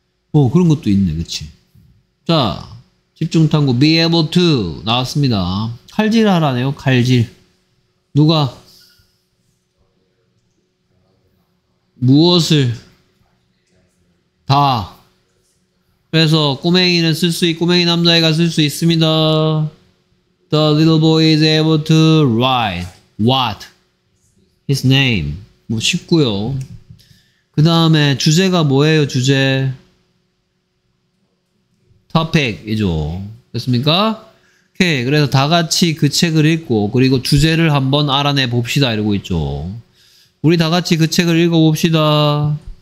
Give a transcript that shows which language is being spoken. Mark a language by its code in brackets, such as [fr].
[ko] 오, 그런 것도 있네. 그치? 자, 집중탐구 Be able to 나왔습니다. 칼질하라네요. 칼질. 누가 무엇을 다. 그래서 꼬맹이는 쓸 수 있고 꼬맹이 남자애가 쓸 수 있습니다. [en] The little boy is able to write what? His name. [ko] 뭐 쉽고요. 그 다음에 주제가 뭐예요? 주제? topic이죠. 됐습니까? 오케이. 그래서 다 같이 그 책을 읽고 그리고 주제를 한번 알아내 봅시다 이러고 있죠. 우리 다 같이 그 책을 읽어봅시다.